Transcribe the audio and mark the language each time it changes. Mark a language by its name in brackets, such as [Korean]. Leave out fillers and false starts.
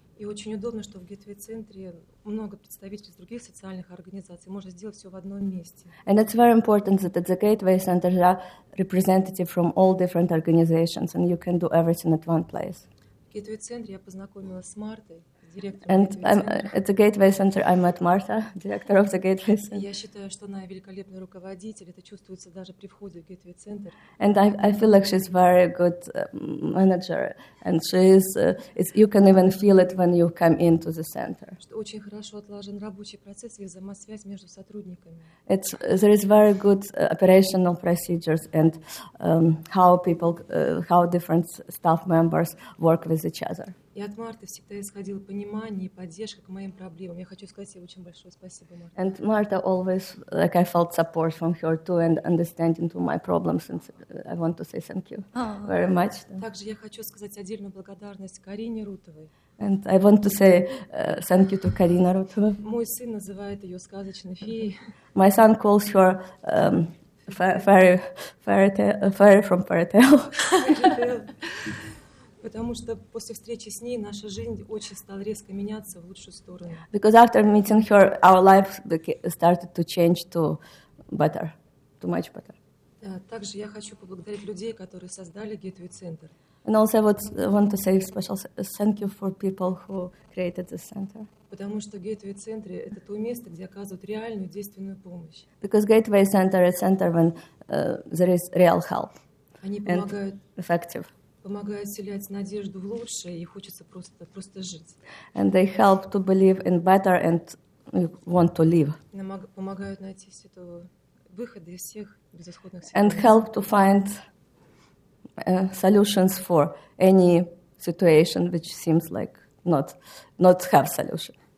[Russian] И очень удобно, что в Gateway центре много представителей других социальных организаций, можно сделать все в одном месте. [English] And it's very important that at the Gateway Center there are representatives from all different organizations, and you can do everything at one place. [Russian] В Gateway центре я познакомилась с Мартой. [English] And at the Gateway Center, I met Martha, director of the Gateway Center. [Russian] Я считаю, что она великолепный руководитель. Это чувствуется даже при входе в Gateway Center. [English] And I feel like she's very good manager, and she is. You can even feel it when you come into the center. [Russian] Что очень хорошо отлажен рабочий процесс и взаимосвязь между сотрудниками. [English] There is very good operational procedures and how people, how different staff members work with each other. [Russian] И от Марты всегда исходило понимание и поддержка к моим проблемам. Я хочу сказать ей очень большое спасибо, Марта. [English] And Marta always, like I felt support from her too and understanding to my problems. And I want to say thank you very much. [Russian] Также я хочу сказать отдельную благодарность Карине Рутовой. [English] And I want to say thank you to Карина Рутова. [Russian] Мой сын называет ее сказочной феей. [English] My son calls her fairy from fairy tale. [Russian] Потому что после встречи с ней наша жизнь очень стала резко меняться в лучшую сторону. [English] Because after meeting her, our life started to change to better, to much better. [Russian] Также я хочу поблагодарить людей, которые создали Gateway Center. [English] And also I want to say special thank you for people who created this center. [Russian] Потому что Gateway Center — это то место, где оказывают реальную действенную помощь. [English] Because Gateway Center is a center when there is real help. [Russian] Они помогают. [English] Effective. [Russian] Помогают вселять надежду в лучшее, и хочется просто жить. [English] And they help to believe in better and want to live. [Russian] Помогают найти святого выхода из всех безысходных ситуаций. [English] And help to find solutions for any situation which seems like not have solution.